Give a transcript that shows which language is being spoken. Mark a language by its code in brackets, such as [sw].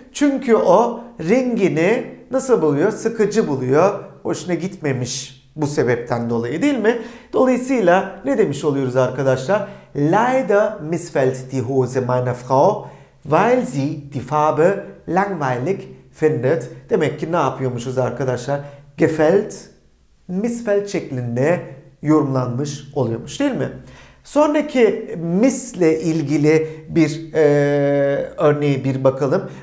[tr] Çünkü o rengini nasıl buluyor? Sıkıcı buluyor. Hoşuna gitmemiş bu sebepten dolayı, değil mi? Dolayısıyla ne demiş oluyoruz arkadaşlar? [de] Leider missfällt die Hose meiner Frau, weil sie die Farbe langweilig findet. [tr] Demek ki ne yapıyormuşuz arkadaşlar? Gefällt, missfällt şeklinde yorumlanmış oluyormuş, değil mi? Sonraki miss'le ilgili bir örneğe bir bakalım.